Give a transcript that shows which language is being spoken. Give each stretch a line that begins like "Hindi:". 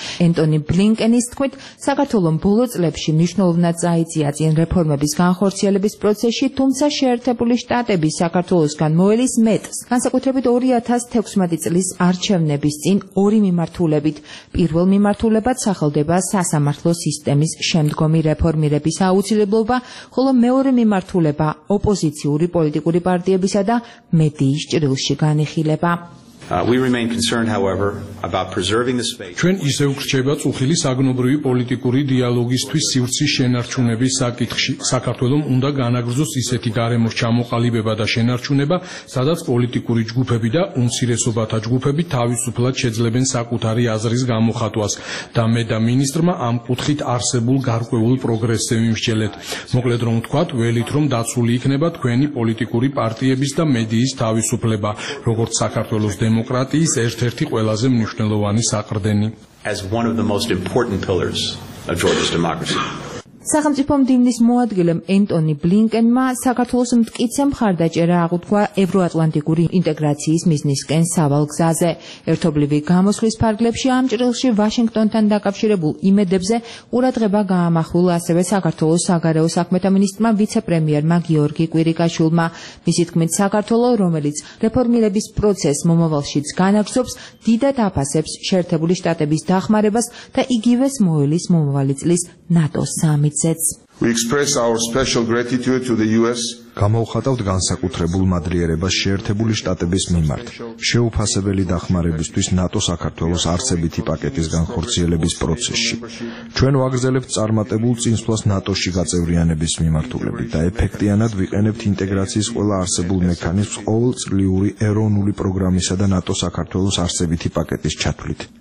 Georgian: ენტონი ბლინკენის თქმით, საქართველომ ბოლო წლებში მნიშვნელოვნად წაიწია წინ რეფორმების განხორციელების პროცესში, თუმცა შეერთებული შტატები საქართველოსგან მოელის მეტს, განსაკუთრებით 2016 წლის არჩევნების წინ ორი მიმართულებით. პირველ მიმართულებად სახელდება სასამართლო სისტემის შემდგომი რეფორმირების აუცილებლობა, ხოლო მეორე მიმართულება ოპოზიციური პოლიტიკური პარტიებისა და მედიის ჭრილში განიხილება.
English: We remain concerned however about preserving the space.
Georgian: ჩვენ ისე ვრჩება წუხილი საგნობრივი პოლიტიკური დიალოგისთვის სივრცის შენარჩუნების საკითხში. საქართველომ უნდა განაგრძოს ისეთი გარემოს ჩამოყალიბება და შენარჩუნება, სადაც პოლიტიკური ჯგუფები და უმცირესობათა ჯგუფები თავისუფლად შეძლებენ საკუთარი აზრის გამოხატვას და მე და მინისტრმა ამ კუთხით არსებულ გარკვეულ პროგრესზე ვიმსჯელეთ. მოკლედ რომ ვთქვათ, ველით რომ დაცული იქნება თქვენი პოლიტიკური პარტიების და მედიის თავისუფლება, როგორც საქართველოს დემოკრატიის ერთ-ერთი ყველაზე მნიშვნელოვანი საყრდენი.
English: As one of the most important pillars of Georgia's democracy.
Georgian: სახელმწიფო მდივნის მოადგილემ ენტონი ბლინკენმა საქართველოს მტკიცე მხარდაჭერა აღუთქვა ევროატლანტიკური ინტეგრაციის მიზნისკენ სავალგზაზე. ერთობლივი გამოსვლის ფარგლებში ამ ჭრილში ვაშინგტონთან დაკავშირებულ იმედებზე ყურადღება გაამახვილა ასევე საქართველოს საგარეო საქმეთა მინისტრმა ვიცე-პრემიერმა გიორგი კვირიკაშვილმა. მისი თქმით, საქართველო, რომელიც რეფორმირების პროცესს მომავალშიც განაგრძობს, დიდად აფასებს შეერთებული შტატების დახმარებას და იგივე მოელის მომავალი წლის ნატოს სამიტზეც.
English: We express our special gratitude to the US.
Georgian: გამოვხატავთ განსაკუთრებულ მადლიერებას შეერთებული შტატების მიმართ. შეუფასებელი დახმარებისთვის ნატო საქართველოს არსებითი პაკეტის განხორციელების პროცესში. ჩვენ ვაგრძელებთ წარმატებულ წინსვლას ნატოში გაწევრიანების მიმართულებით და ეფექტიანად ვიყენებთ ინტეგრაციის ყველა არსებულ მექანიზმს ყოველწლიური ეროვნული პროგრამისა და ნატო საქართველოს არსებითი პაკეტის ჩათვლით.